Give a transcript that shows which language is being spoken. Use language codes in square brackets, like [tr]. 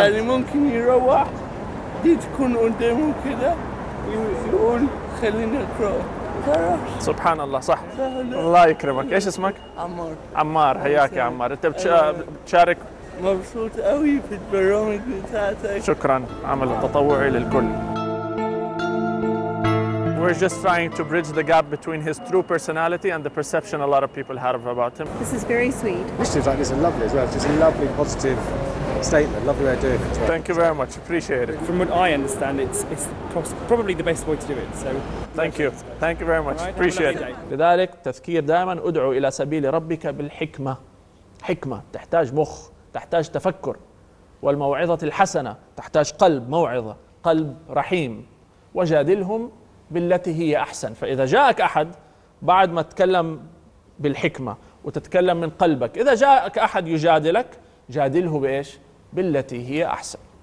[ar] يعني ممكن يروح دي تكون قدامه كده يقول خلينا نقرا. سبحان الله. صح، الله يكرمك. ايش اسمك؟ عمار. عمار، حياك يا عمار. انت بتشارك؟ مبسوط قوي في البرامج بتاعتك. شكرا، عمل تطوعي للكل. [en] We're just trying to bridge the gap between his true personality and the perception a lot of people have about him. This is very sweet. Initiatives like this are lovely as well. It's just a lovely, positive statement. Lovely way of doing it. Thank you very much. Appreciate it. From what I understand, it's probably the best way to do it. So, thank you. Thank you very much. Right, appreciate it. [ar] لذلك تذكير دائما أدعو إلى سبيل ربك بالحكمة. حكمة تحتاج مخ، تحتاج تفكر. والموعظة الحسنة تحتاج قلب، موعظة قلب رحيم. وجادلهم بالتي هي أحسن. فإذا جاءك أحد بعد ما تتكلم بالحكمة وتتكلم من قلبك، إذا جاءك أحد يجادلك جادله بإيش؟ بالتي هي أحسن.